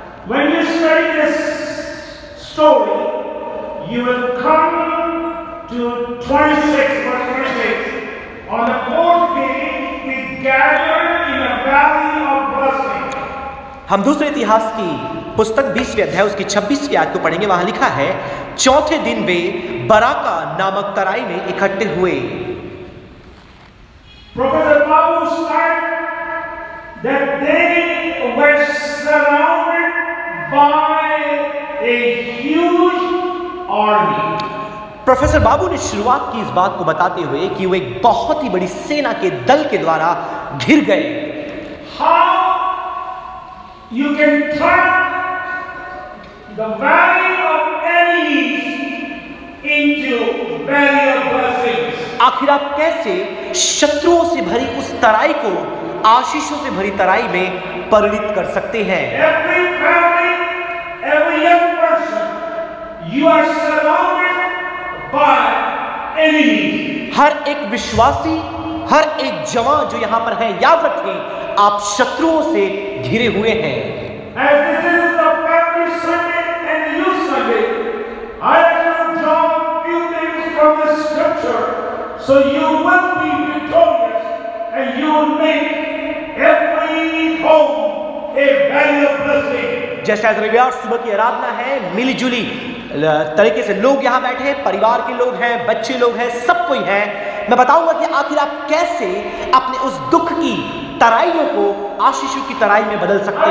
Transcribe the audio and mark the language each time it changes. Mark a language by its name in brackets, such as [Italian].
[English] When you study this story, you will come to 26:26. On the fourth day, we gathered in a valley of blessing. [Hindi] हम दूसरे इतिहास की पुस्तक 20वें अध्याय उसकी 26वीं आयत को पढ़ेंगे वहां लिखा है चौथे दिन वे बराका नामक तराई में इकट्ठे हुए [English] professor Babu start that they were surrounded by a huge army [Hindi] professor बाबू ने शुरुआत की इस बात को बताते हुए कि वे एक बहुत ही बड़ी सेना के दल के द्वारा घिर गए [English] How you can trap The valley of enemies into valley of blessings. [Hindi] आखिर आप कैसे शत्रुओं से भरी उस तराई को आशीषों से भरी तराई में परिणित कर सकते हैं? [English] Every family, every young person, you are surrounded by enemies. [Hindi] हर एक विश्वासी, हर एक जवान जो यहाँ पर है, याद रखें, आप शत्रुओं से घिरे हुए हैं। [English] As this is a family Sunday. I am going to draw a few things from the scripture so you will be victorious and you will make every home a valley of blessing. [Hindi] जैसे आज रविवार सुबह की आराधना है मिलीजुली तरीके से लोग यहाँ बैठे हैं परिवार के लोग हैं बच्चे लोग हैं सब कोई है मैं बताऊंगा कि आखिर आप कैसे अपने उस दुख की तराइयों को आशीषों की तराई में बदल सकते